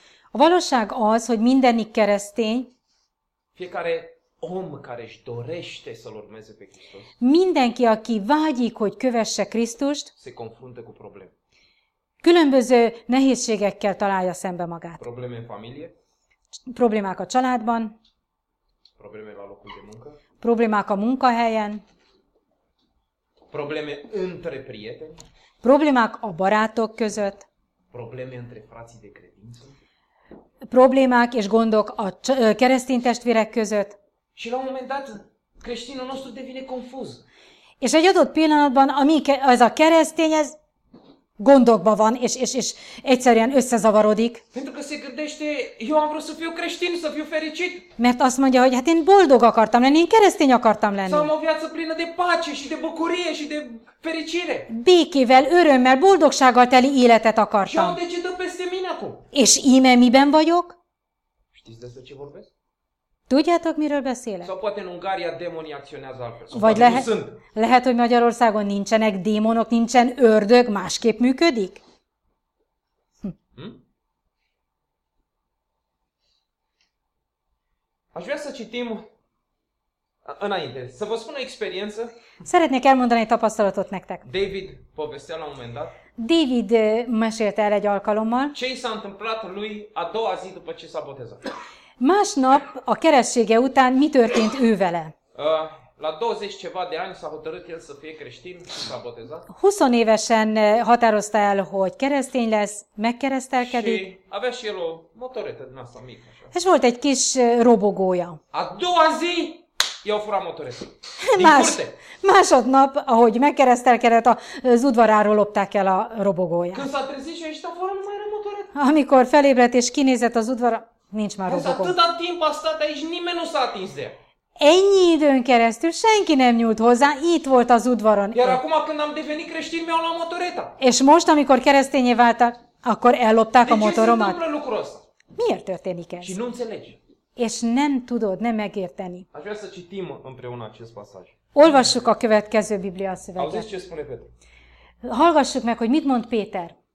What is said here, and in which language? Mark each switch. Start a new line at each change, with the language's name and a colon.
Hungarian: A valóság az, hogy mindenik keresztény,
Romanian: fiecare om care își dorește să-L urmeze pe Hristos,
Hungarian: mindenki, aki vágyik, hogy kövesse Krisztust,
Romanian: se confruntă cu probleme.
Hungarian: Különböző nehézségekkel találja szembe magát.
Romanian: Probleme în familie,
Hungarian: problémák a családban,
Romanian: probleme la locul de muncă,
Hungarian: problémák a munkahelyen,
Romanian: probleme între prieteni,
Hungarian: problémák a barátok között,
Romanian: probleme între frații de credință,
Hungarian: problémák és gondok a keresztény testvérek között.
Romanian: Și la un moment dat, creștinul nostru devine confuz.
Hungarian: És egy adott pillanatban, ami ez a keresztény, ez gondokban van, és egyszerűen összezavarodik.
Romanian: Pentru că se gândește, eu am vrut să fiu creștin, să fiu fericit.
Hungarian: Mert azt mondja, hogy hát én boldog akartam lenni, én keresztény akartam lenni.
Romanian: Să am o viață plină de pace și de bucurie și de fericire.
Hungarian: Békével, örömmel, boldogsággal teli életet akartam.
Romanian: Și am peste mine acum.
Hungarian: És íme miben vagyok?
Romanian: Știți de ce vorbesc?
Hungarian: Tudjátok, miről beszélek?
Romanian: Sau poate în Ungaria demonii acționează altfel.
Hungarian: Vagy lehet, hogy Magyarországon nincsenek démonok, nincsen ördög, másképp működik?
Romanian: Aș vrea să citim înainte, să vă spun o experiență.
Hungarian: Szeretnék elmondani egy tapasztalatot nektek.
Romanian: David povestea la un moment dat.
Hungarian: David mesélte el egy alkalommal.
Romanian: Ce i s-a întâmplat lui a doua zi după ce s-a botezat.
Hungarian: Másnap a keressége után mi történt ő vele?
Romanian: La 20 ceva de ani s-a hotărât el să fie creștin și s-a botezat.
Hungarian: 20 évesen határozta el, hogy keresztény lesz, megkeresztelkedik.
Romanian: Și avea și el o motoretă din asta mică.
Hungarian: És volt egy kis robogója.
Romanian: A doua zi, i-au furat motoretă.
Hungarian: Másodnap, ahogy megkeresztelkedett, az udvaráról lopták el a robogóját.
Romanian: Când s-a trezit și a ieșit afară, nu mai era motoretă.
Hungarian: Amikor felébredt és kinézett az udvara, nincs már robogó.
Romanian: Ez atâta timp a stat aici, nimeni nu s-a atins de.
Hungarian: Ennyi időn keresztül senki nem nyúlt hozzá, itt volt az udvaron.
Romanian: Iar acum când am devenit creștin, mi-au luat motoreta.
Hungarian: És most, amikor keresztényé váltak, akkor ellopták a motoromat.
Romanian: De ce se întâmplă lucrul ăsta?
Hungarian: Miért történik ez?
Romanian: Și nu înțelegi.
Hungarian: És nem tudod, nem megérteni.
Romanian: Aș vrea să citim împreună acest pasaj.
Hungarian: Olvassuk a következő Biblia szöveget.
Romanian: Auziți ce spune Peter?
Hungarian: Hallgassuk meg, hogy mit mond Péter.